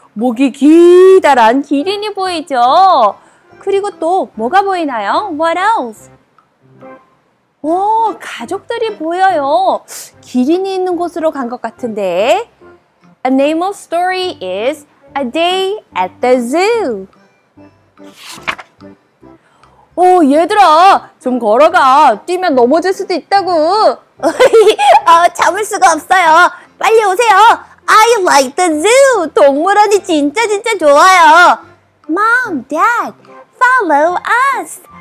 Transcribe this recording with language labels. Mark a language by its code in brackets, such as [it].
[ko] 목이 기다란 기린이 보이죠? 그리고 또 뭐가 보이나요? [en] What else? [ko] 오, 가족들이 보여요. 기린이 있는 곳으로 간 것 같은데. [en] A name of story is A Day at the Zoo. [ko] 오, 얘들아, 좀 걸어가. 뛰면 넘어질 수도 있다고. 참을 수가 없어요. 빨리 오세요. [en] I like the zoo. [ko] 동물원이 진짜 진짜 좋아요. [en] Mom, Dad, follow us.